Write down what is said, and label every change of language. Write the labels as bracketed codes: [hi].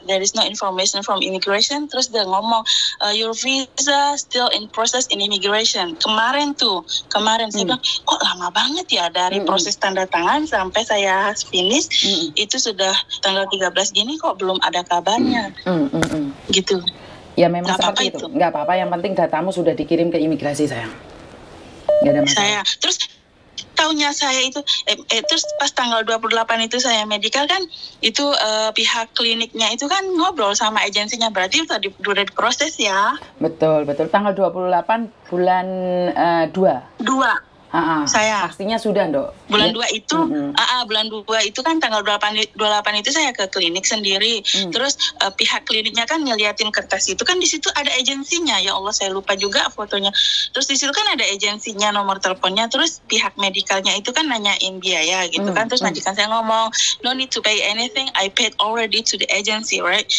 [en] There is no information from immigration. [id] Terus dia ngomong, [en] your visa still in process in immigration. [id] Kemarin saya bilang, kok lama banget ya dari proses tanda tangan sampai saya finish, itu sudah tanggal 13 gini kok belum ada kabarnya. Gitu. Ya memang gak seperti itu. Gak apa-apa, yang penting datamu sudah dikirim ke imigrasi, sayang. Gak ada masalah. Saya, terus taunya saya itu, terus pas tanggal 28 itu saya medical kan, itu pihak kliniknya itu kan ngobrol sama agensinya, berarti sudah diproses ya. Betul, betul. Tanggal 28 bulan 2. Saya. Pastinya sudah, dok. Bulan 2 itu, bulan 2 itu kan tanggal 28 itu saya ke klinik sendiri. Terus pihak kliniknya kan ngeliatin kertas itu, kan di situ ada agensinya. Ya Allah, saya lupa juga fotonya. Terus di situ kan ada agensinya, nomor teleponnya. Terus pihak medicalnya itu kan nanyain biaya gitu kan. Terus majikan saya ngomong, [en] no need to pay anything, I paid already to the agency, right?